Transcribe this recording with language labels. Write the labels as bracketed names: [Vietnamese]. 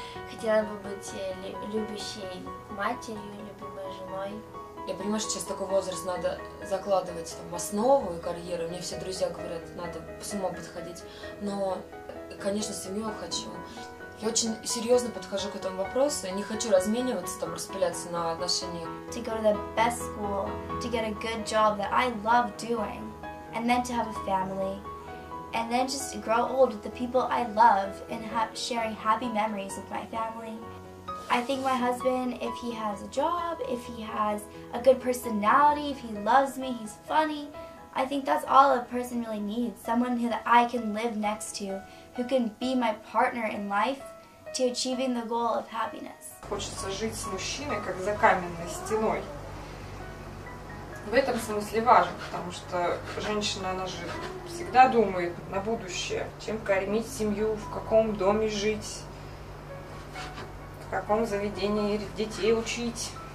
[Russian] Хотела бы быть любящей матерью, любимой женой. Я понимаю, что сейчас такой возраст, надо закладывать там основу и карьеру. Мне все друзья говорят, надо с ума подходить. Но, конечно, семью хочу. Я очень серьезно подхожу к этому вопросу. Я не хочу размениваться, там, распыляться на отношения. [English] To go to the best school, to get a good job that I love doing, and then to have a family. And then just grow old with the people I love and sharing happy memories with my family. I think my husband, if he has a job, if he has a good personality, if he loves me, he's funny, I think that's all a person really needs. Someone who that I can live next to, who can be my partner in life to achieving the goal of happiness. [Russian] Хочется жить с мужчиной, как за каменной стеной. В этом смысле важно, потому что женщина, она же всегда думает на будущее. Чем кормить семью, в каком доме жить, в каком заведении детей учить.